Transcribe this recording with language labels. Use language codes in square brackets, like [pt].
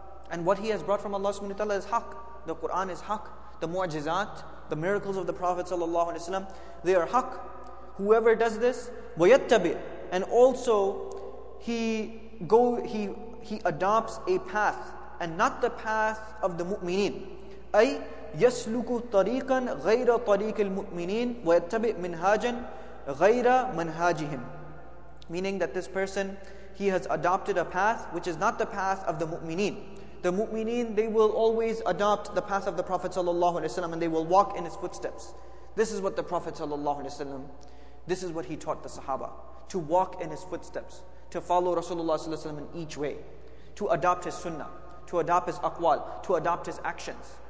[en] And what he has brought from Allah subhanahu wa ta'ala is haq. The Quran is haq. The mu'jizat, the miracles of the Prophet sallallahu alaihi wasallam, they are haq. Whoever does this, wayattabi', and also he adopts a path and not the path of the mu'mineen. [ar] أي يسلك طريقا غير طريق المؤمنين ويتبع منهاجا غير منهاجهم. [en] Meaning that this person, he has adopted a path which is not the path of the mu'mineen. The mu'mineen, they will always adopt the path of the Prophet sallallahu alaihi wasallam, and they will walk in his footsteps. This is what the Prophet sallallahu alaihi wasallam, this is what he taught the Sahaba, to walk in his footsteps, to follow Rasulullah sallallahu alaihi wasallam in each way, to adopt his sunnah, to adopt his aqwal, to adopt his actions.